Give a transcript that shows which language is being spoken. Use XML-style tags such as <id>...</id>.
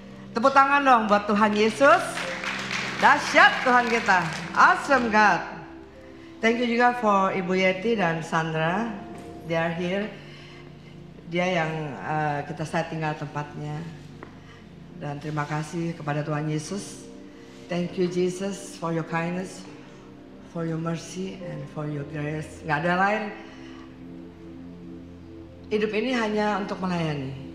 <id>Tepuk tangan dong buat Tuhan Yesus. Dahsyat Tuhan kita,</id> <en>awesome God. Thank you juga for Ibu Yeti dan Sandra. They are here.</en> <id>Dia yang saya tinggal tempatnya. Dan terima kasih kepada Tuhan Yesus.</id> <en>Thank you Jesus for your kindness, for your mercy, and for your grace.</en> <id>Gak ada lain. Hidup ini hanya untuk melayani.</id>